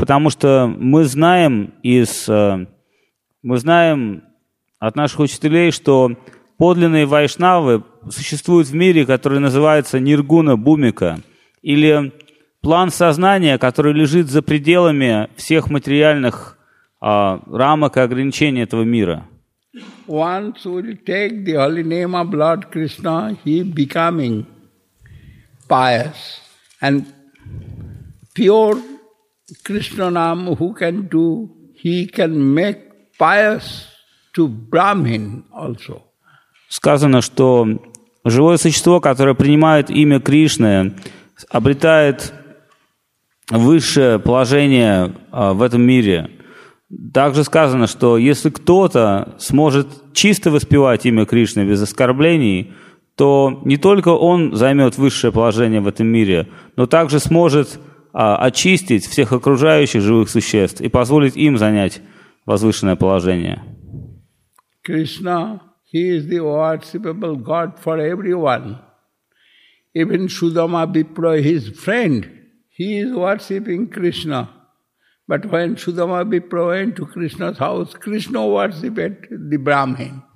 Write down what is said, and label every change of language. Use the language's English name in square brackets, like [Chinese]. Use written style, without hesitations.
[Russian] Потому что мы знаем от наших учителей, что подлинные вайшнавы существуют в мире, который называется Ниргуна Бумика, или план сознания, который лежит за пределами всех материальных рамок и ограничений этого мира. [English] Once we take the holy name of Lord Krishna, he becoming pious and pure Krishna Nam, who can do, he can make pious to Brahmin also. [Russian] Сказано, что живое существо, которое принимает имя Кришны, обретает высшее положение в этом мире. Также сказано, что если кто-то сможет чисто воспевать имя Кришны без оскорблений, то не только он займет высшее положение в этом мире, но также сможет очистить всех окружающих живых существ и позволить им занять возвышенное положение. [English] Krishna, he is the worshipable God for everyone. Even Sudama Vipra, his friend, he is worshipping Krishna. But when Sudama Vipra went to Krishna's house, Krishna worshipped the Brahmin.